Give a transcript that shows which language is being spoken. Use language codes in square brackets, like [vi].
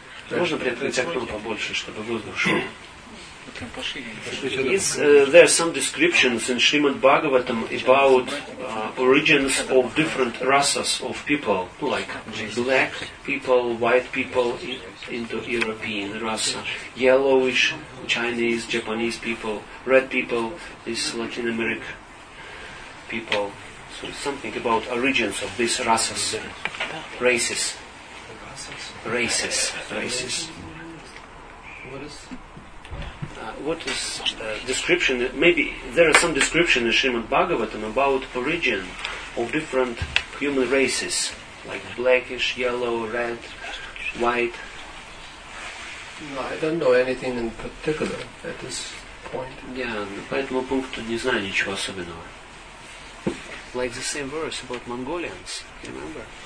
[ru] Можно приоткрыть окно побольше, чтобы воздух шел? [en] Is there some descriptions in Srimad Bhagavatam about origins of different races of people, like black people, white people, Indo-European race, yellowish Chinese, Japanese people, red people, this Latin American people? So something about origins of these races, races. What is description? Maybe there is some description in Srimad Bhagavatam about origin of different human races, like blackish, yellow, red, white. No, I don't know anything in particular at this point. [ru] Yeah, по этому пункту не знаю ничего особенного. [en] Like the same verse about Mongolians, you remember?